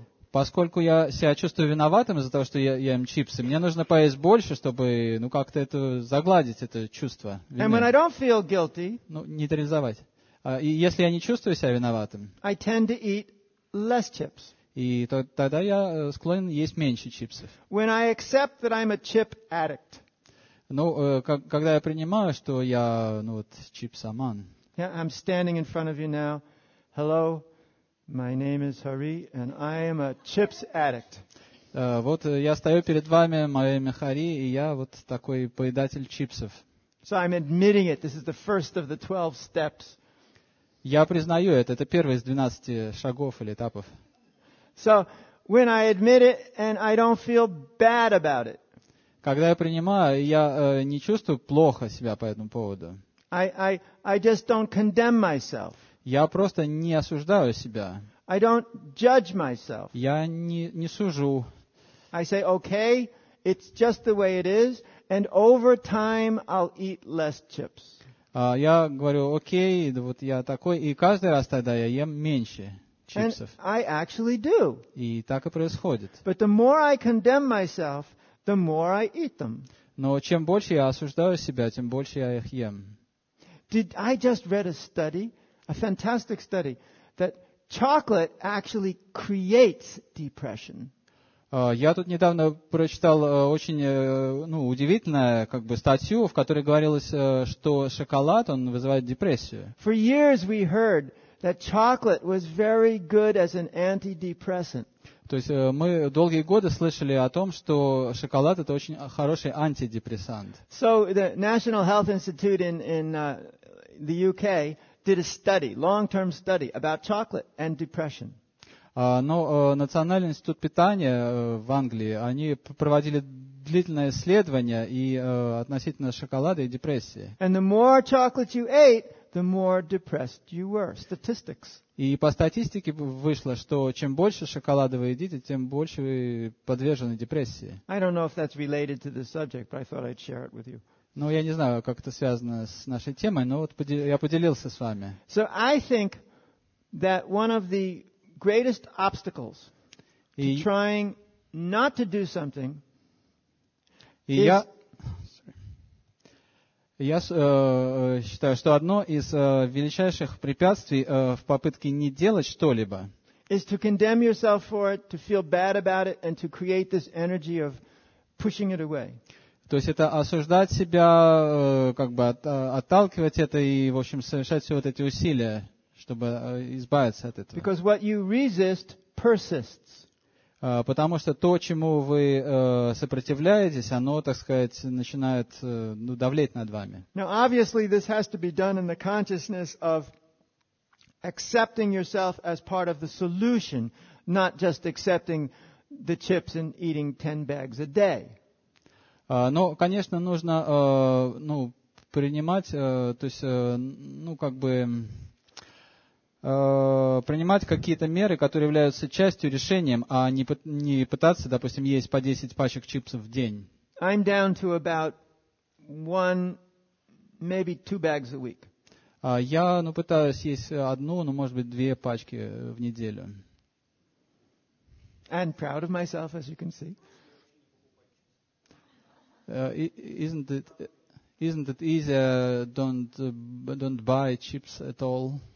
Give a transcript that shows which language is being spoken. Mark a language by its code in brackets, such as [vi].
[ru] Поскольку я себя чувствую виноватым из-за того, что я ем чипсы, мне нужно поесть больше, чтобы как-то это загладить, это чувство вины. [en] And when I don't feel guilty, [ru] нейтрализовать. И если я не чувствую себя виноватым, [en] I tend to eat less chips. [ru] И тогда я склонен есть меньше чипсов. [en] When I accept that I'm a chip addict. [ru] Когда я принимаю, что я чипсоман. [en] Yeah, I'm standing in front of you now. Hello, my name is Hari, and I am a chips addict. [ru] Я стою перед вами, мое имя Хари, и я вот такой поедатель чипсов. [en] So I'm admitting it. This is the first of the 12 steps. [ru] Я признаю это первый из 12 шагов или этапов. [en] So, when I admit it and I don't feel bad about it. [ru] Когда я принимаю, я не чувствую плохо себя по этому поводу. [en] I just don't condemn myself. [ru] Я просто не осуждаю себя. [en] I don't judge myself. [ru] Я не сужу. [en] I say, okay, it's just the way it is, and over time I'll eat less chips. [ru] Я говорю, окей, вот я такой, и каждый раз тогда я ем меньше чипсов. [en] And I actually do. [ru] И так и происходит. [en] But the more I condemn myself, the more I eat them. [ru] Но чем больше я осуждаю себя, тем больше я их ем. [en] Did I just read a study, a fantastic study, that chocolate actually creates depression. [ru] Я тут недавно прочитал очень ну, удивительную как бы, статью, в которой говорилось, что шоколад он вызывает депрессию. [en] For years we heard that chocolate was very good as an antidepressant. [ru] То есть мы долгие годы слышали о том, что шоколад это очень хороший антидепрессант. [en] So the National Health Institute in the UK did a study, long-term study about chocolate and depression. [ru] Национальный институт питания в Англии, они проводили длительное исследование и относительно шоколада и депрессии. [en] And the more chocolate you ate, the more depressed you were. Statistics. [ru] И по статистике вышло, что чем больше шоколада вы едите, тем больше вы подвержены депрессии. [en] I don't know if that's related to the subject, but I thought I'd share it with you. [ru] Ну, я не знаю, как это связано с нашей темой, но вот я поделился с вами. [en] So I think that one of the greatest obstacles to trying not to do something is... [ru] Я считаю, что одно из величайших препятствий в попытке не делать что-либо [en] is to condemn yourself for it, to feel bad about it, and to create this energy of pushing it away. [ru] То есть это осуждать себя, как бы отталкивать это и, в общем, совершать все вот эти усилия, чтобы избавиться от этого. [en] Because what you resist persists. [ru] Потому что то, чему вы сопротивляетесь, оно, так сказать, начинает давлеть над вами. [en] Now, obviously, this has to be done in the consciousness of accepting yourself as part of the solution, not just accepting the chips and eating 10 bags a day. [ru] Но, конечно, нужно принимать какие-то меры, которые являются частью решения, а не пытаться, допустим, есть по 10 пачек чипсов в день. [en] I'm down to about one, maybe two bags a week. [ru] Я пытаюсь есть одну, может быть, две пачки в неделю. [en] And proud of myself, as you can see. Isn't it easier don't buy chips at all?